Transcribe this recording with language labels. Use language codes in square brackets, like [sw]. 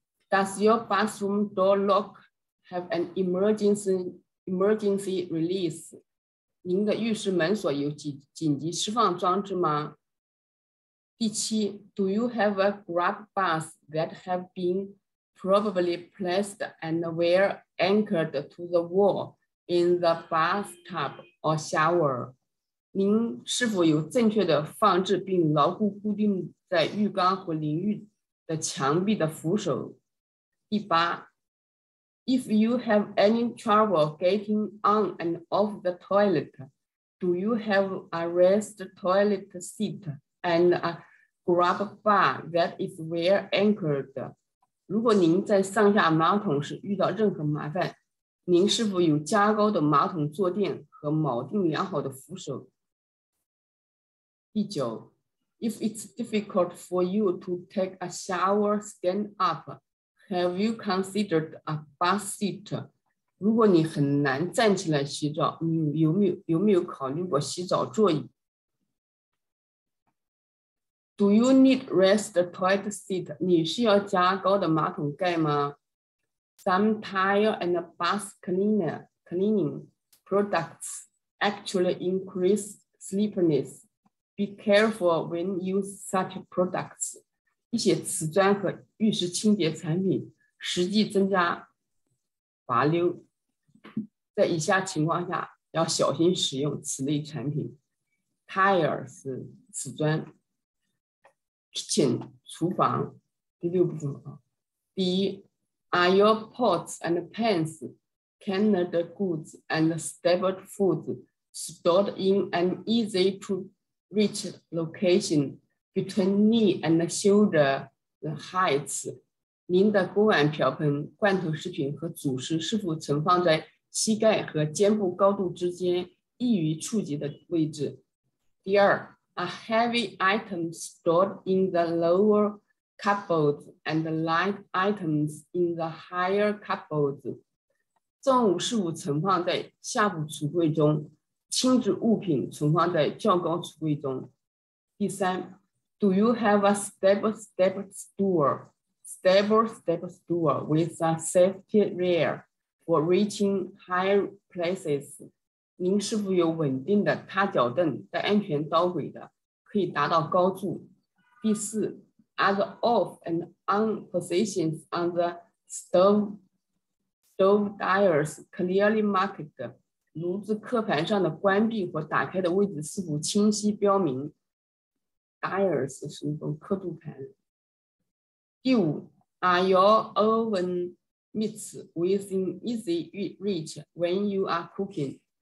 [en] Does your bathroom door lock have an emergency release? [zh] 您的浴室门锁有紧急释放装置吗？第七 [en] ，Do you have a grab bars that have been probably placed and were anchored to the wall in the bathtub or shower? [zh] 您是否有正确的放置并牢固固定在浴缸和淋浴的墙壁的扶手？第八 [en] ，If you have any trouble getting on and off the toilet, do you have a raised toilet seat and a grab bar that is well anchored? [zh] 如果您在上下马桶时遇到任何麻烦，您是否有加高的马桶坐垫和锚定良好的扶手？第九 [en] ，If it's difficult for you to take a shower stand up. Have you considered a bath seat? [zh] 如果你很难站起来洗澡，你有没有考虑过洗澡座椅？ [en] Do you need raised toilet seat? [zh] 你需要加高的马桶盖吗？ [en] Some tile and bath cleaning products actually increase slipperiness. Be careful when use such products. [zh] 一些瓷砖和浴室清洁产品实际增加滑溜，在以下情况下要小心使用此类产品。 Tile 是瓷砖。请厨房第六部分。第一 [en] Are your pots and pans canned goods and stable foods stored in an easy to reach locationBetween knee and shoulder the heights, [zh] 您的锅碗瓢盆、罐头食品和主食是否存放在膝盖和肩部高度之间易于触及的位置？第二 [en] ，a heavy item stored in the lower cupboards and light items in the higher cupboards. [zh] 重物事物存放在下部橱柜中，轻质物品存放在较高橱柜中。第三 [en] ，Do you have a stable step stool with a safety rail for reaching higher places? [zh] 您是否有稳定的踏脚凳带安全导轨的，可以达到高处？第四 [en] ，Are the off and on positions on the stove dials clearly marked? [zh] 炉子刻盘上的关闭和打开的位置是否清晰标明 ？Dials 是一种刻度盘。第五 [en] ，Are your oven mitts within easy reach when you are cooking?